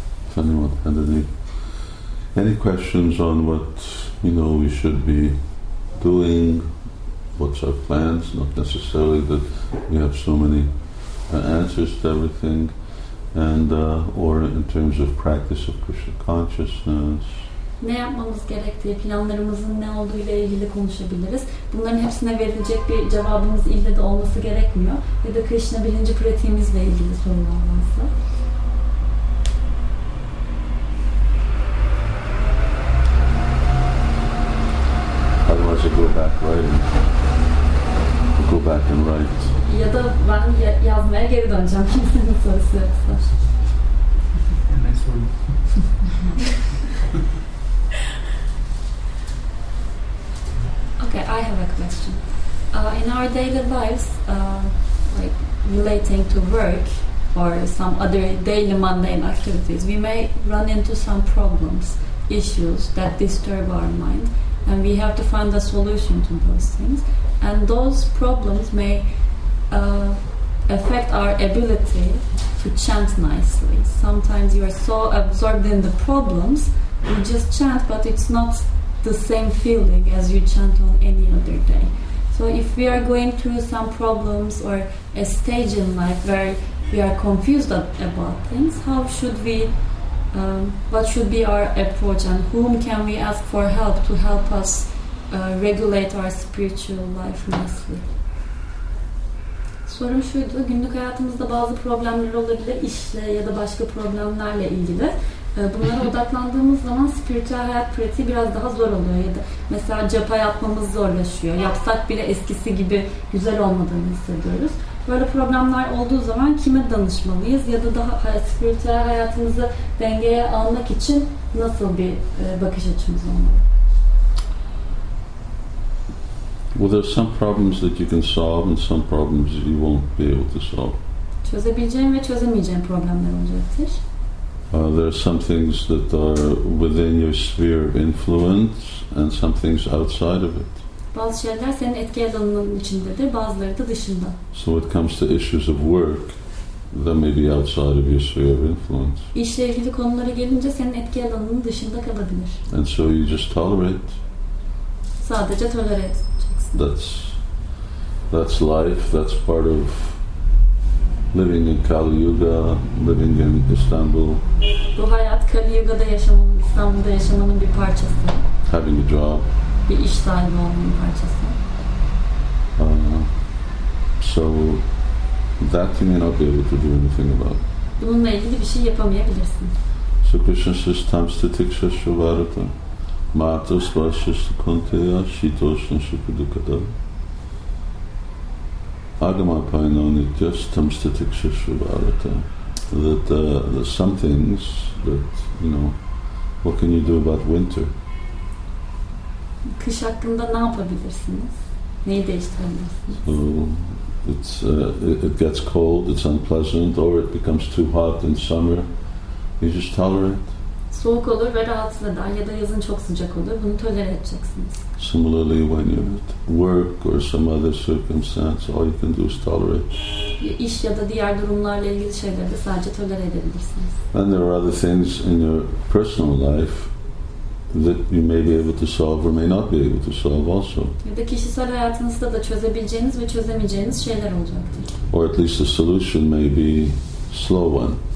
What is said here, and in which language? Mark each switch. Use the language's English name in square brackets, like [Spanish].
[English] If anyone had any questions on what you know we should be doing, what's our plans? Not necessarily that we have so many answers to everything, and or in terms of practice of Krishna consciousness. [Turkish] Ne yapmamız gerektiği, planlarımızın ne olduğu ile ilgili konuşabiliriz. Bunların hepsine verilecek bir cevabımız ille de olması gerekmiyor. Ya da Krishna bilinci pratiğimizle ilgili sorular varsa. [English] Otherwise I go back writing. Go back and write. [Turkish] Ya da ben yazmaya geri döneceğim kimsenin sorusu yoksa. [English] Okay, I have a question. In our daily lives, like relating to work or some other daily mundane activities, we may run into some problems, issues that disturb our mind, and we have to find a solution to those things. And those problems may affect our ability to chant nicely. Sometimes you are so absorbed in the problems, you just chant, but it's not the same feeling as you chant on any other day. So if we are going through some problems or a stage in life where we are confused about things, how should we, what should be our approach and whom can we ask for help to help us regulate our spiritual life nicely? [Turkish] Sorum şuydu, günlük hayatımızda bazı problemler olabilir, işle ya da başka problemlerle ilgili. Bunlara odaklandığımız zaman spiritüel hayat pratiği biraz daha zor oluyor. Ya da mesela japa yapmamız zorlaşıyor. Yapsak bile eskisi gibi güzel olmadığını hissediyoruz. Böyle problemler olduğu zaman kime danışmalıyız? Ya da daha spiritüel hayatımızı dengeye almak için nasıl bir bakış açımız olmalı? [English] Well, there's some problems that you can solve and some problems you won't be able to solve. [Turkish] Çözebileceğin ve çözemeyeceğin problemler olacaktır. [English] There are some things that are within your sphere of influence and some things outside of it. [Turkish] Bazı şeyler senin etki alanının içindedir, bazıları da dışında. [English] So it comes to issues of work that may be outside of your sphere of influence. [Turkish] İşle ilgili konulara gelince senin etki alanının dışında kalabilir. [English] And so you just tolerate. [Turkish] Sadece tolere edeceksin. [English] That's life, that's part of living in Kali Yuga, living in Istanbul. [Turkish] Bu hayat Kali Yuga'da yaşamın, İstanbul'da yaşamanın bir parçası. [English] Having a job. [Turkish] Bir iş sahibi olmanın parçası. [English] So that you may not be able to do anything about. [Turkish] Bununla ilgili bir şey yapamayabilirsin. [English] So Krishna says, [Sanskrit] tam stitiksa shuvarata, mata svasya sukunteya, shitoshna shukudukata. Agama Painani just comes to Tikshashubharata. [English] That there's some things that, you know, what can you do about winter? [Turkish] Kış hakkında ne yapabilirsiniz? Neyi değiştirebilirsiniz? [English] So it gets cold, it's unpleasant, or it becomes too hot in summer. You just tolerate. [Turkish] Soğuk olur ve rahatsız eder. Ya da yazın çok sıcak olur. Bunu tolere edeceksiniz. [English] Similarly, when you're at work or some other circumstance, all you can do is tolerate. [Turkish] İş ya da diğer durumlarla ilgili şeyleri de sadece tolere edebilirsiniz. [English] And there are other things in your personal life that you may be able to solve or may not be able to solve also. [Turkish] Ve kişisel hayatınızda da çözebileceğiniz ve çözemeyeceğiniz şeyler olacaktır. [English] Or at least the solution may be slow one.